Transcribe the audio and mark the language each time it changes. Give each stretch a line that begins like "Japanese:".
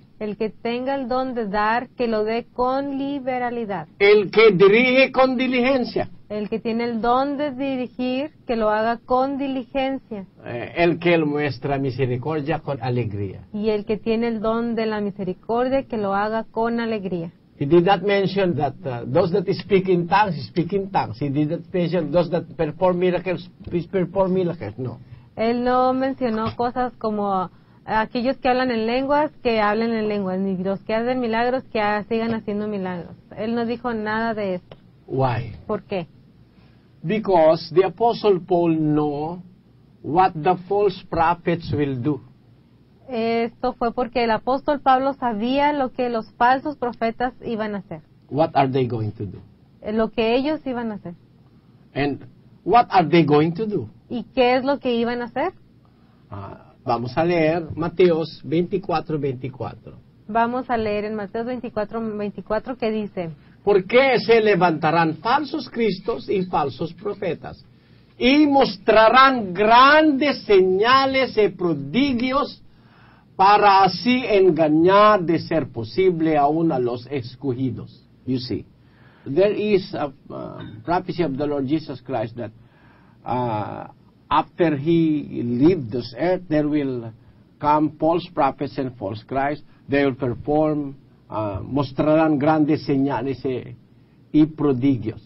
Spanish: El que tenga el don de dar, que lo dé con liberalidad. El que dirige con diligencia. El que tiene el don de dirigir, que lo haga con diligencia. El que muestra misericordia con alegría. Y el que tiene el don de la misericordia, que lo haga con alegría.
English: He did not mention that those that speak in tongues, speak in tongues. He did not mention those that perform miracles, perform miracles.
Spanish: No. Él no mencionó cosas como aquellos que hablan en lenguas, que hablen en lenguas, ni los que hacen milagros, que sigan haciendo milagros. Él no dijo nada de eso.
English: Why?
Spanish: ¿Por qué?
English: Because the Apostle Paul know what the false prophets will do.
Spanish: Esto fue porque el apóstol Pablo sabía lo que los falsos profetas iban a hacer.
English: What are they going to do?
Spanish: Lo que ellos iban a hacer.
English: And what are they going to do?
Spanish: ¿Y qué es lo que iban a hacer? Vamos a leer Mateo 24:24. Vamos a leer en Mateo 24:24 que dice: ¿Por qué se levantarán falsos cristos y falsos profetas? Y mostrarán grandes señales y prodigios para así engañar de ser posible aún a los escogidos.
English: You see, there is a prophecy of the Lord Jesus Christ that after he leaves this earth, there will come false prophets and false Christ. They will perform,
Spanish: mostrarán grandes señales y prodigios.